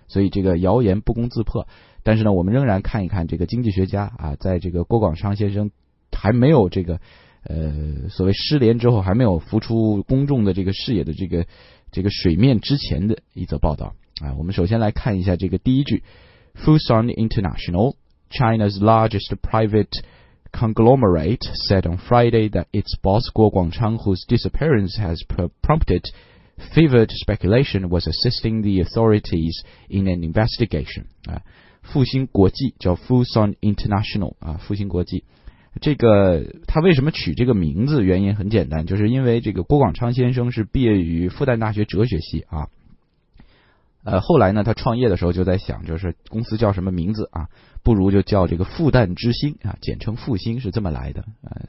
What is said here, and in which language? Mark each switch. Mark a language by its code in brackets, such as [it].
[zh] 所以这个谣言不攻自破，但是呢，我们仍然看一看这个经济学家啊，在这个郭广昌先生还没有这个所谓失联之后，还没有浮出公众的这个视野的这个水面之前的一则报道啊。我们首先来看一下这个第一句。 [en] Fosun International, China's largest private conglomerate, said on Friday that its boss Guo Guangchang, whose disappearance has prompted fevered speculation, was assisting the authorities in an investigation. [zh] 复星国际叫 Fosun International, 复星国际。这个他为什么取这个名字，原因很简单，就是因为这个郭广昌先生是毕业于复旦大学哲学系啊。后来呢，他创业的时候就在想，就是公司叫什么名字啊，不如就叫这个复旦之星啊，简称复星，是这么来的啊。